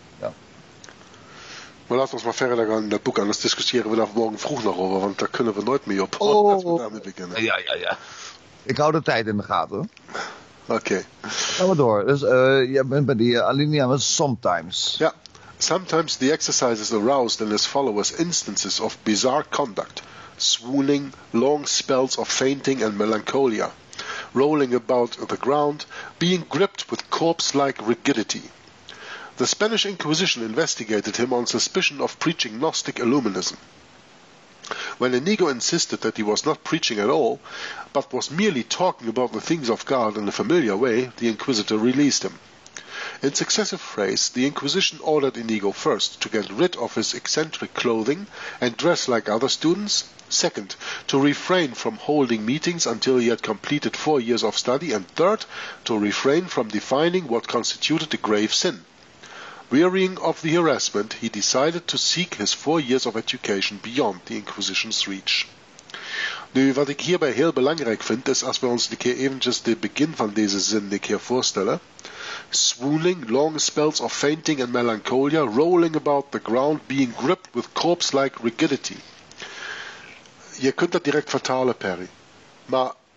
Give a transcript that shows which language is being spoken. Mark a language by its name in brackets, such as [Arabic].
[Dutch] Ja. Maar laten we maar verder gaan in dat boek, anders discussiëren we daar morgen vroeg nog over, want daar kunnen we nooit meer op. Oh. Als we daarmee beginnen. Ja. Ik hou de tijd in de gaten. Oké. Okay. Gaan we door. Dus je bent bij die alinea met sometimes. Ja. [English] Sometimes the exercises aroused in his followers instances of bizarre conduct, swooning, long spells of fainting and melancholia, rolling about the ground, being gripped with corpse-like rigidity. The Spanish Inquisition investigated him on suspicion of preaching Gnostic Illuminism. When Inigo insisted that he was not preaching at all, but was merely talking about the things of God in a familiar way, the Inquisitor released him. In successive phrase, the Inquisition ordered Inigo first to get rid of his eccentric clothing and dress like other students, second, to refrain from holding meetings until he had completed 4 years of study, and third, to refrain from defining what constituted a grave sin. Wearying of the harassment, he decided to seek his 4 years of education beyond the Inquisition's reach. [Dutch] Nu, wat ik hierbij heel belangrijk vind, is als we ons een keer eventjes de begin van deze zin een keer voorstellen. [English] Swooning, long spells of fainting and melancholia, rolling about the ground, being gripped with corpse-like rigidity. [Dutch] Je kunt dat direct vertalen, Perry. Maar